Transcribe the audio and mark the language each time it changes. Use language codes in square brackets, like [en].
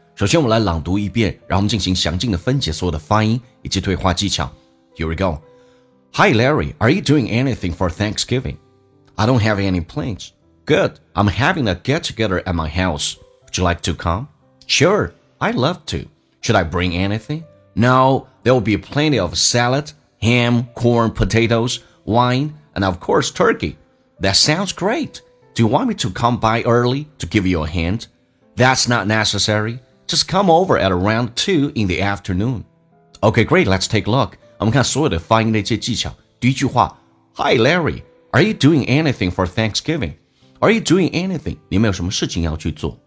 [zh] 首先我们来朗读一遍，然后我们进行详尽的分解所有的发音以及对话技巧。 [en] Here we go。 Hi Larry, are you doing anything for Thanksgiving? I don't have any plans. Good, I'm having a get together at my house. Would you like to come? Sure, I'd love to. Should I bring anything? No, there will be plenty of salad, ham, corn, potatoes, wine,And of course, turkey. That sounds great. Do you want me to come by early to give you a hand? That's not necessary. Just come over at around 2 in the afternoon. Okay, great. Let's take a look. [zh] 我们看所有的发音的一些技巧。第一句话 [en] Hi, Larry. Are you doing anything for Thanksgiving? Are you doing anything? [zh] 你们有什么事情要去做？